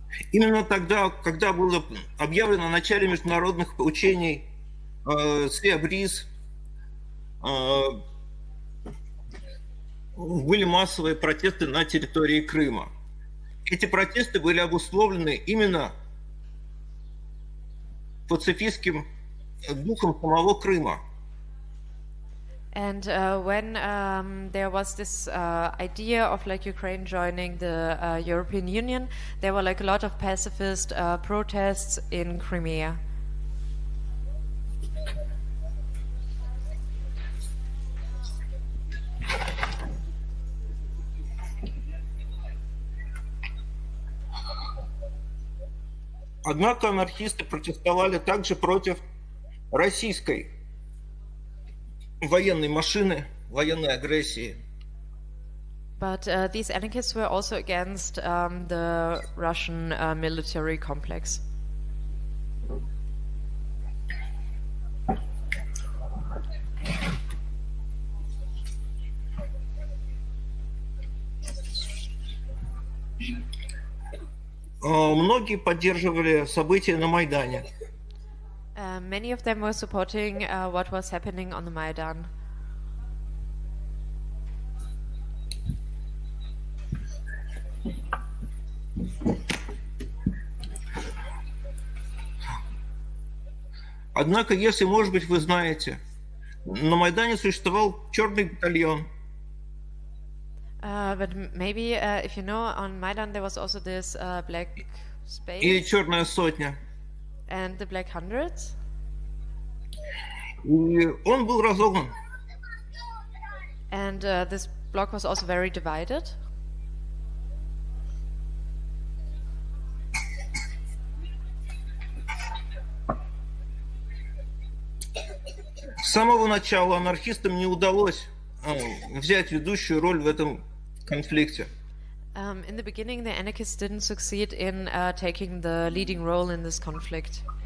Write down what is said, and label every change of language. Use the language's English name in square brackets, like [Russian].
[Russian] Именно тогда, когда было объявлено о начале международных учений Sea Breeze, были массовые протесты на территории Крыма. Эти протесты были обусловлены именно пацифистским духом самого Крыма. [English] And when there was this idea of like Ukraine joining the European Union, there were like a lot of pacifist protests in Crimea. [Russian] Однако анархисты протестовали также против российской военной машины, военной агрессии. [English] But these anarchists were also against the Russian military complex. [Russian] Многие поддерживали события на Майдане. [English] Many of them were supporting what was happening on the Maidan. [Russian] Однако, если, может быть, вы знаете, на Майдане существовал черный батальон. [English] But maybe if you know, on Maidan there was also this black space. [Russian] Или черная сотня. [English] And the black hundreds. [Russian] И он был разогнан. [English] And this block was also very divided. [Russian] С самого начала анархистам не удалось взять ведущую роль в этом конфликте. [English] In the beginning, the anarchists didn't succeed in taking the leading role in this conflict.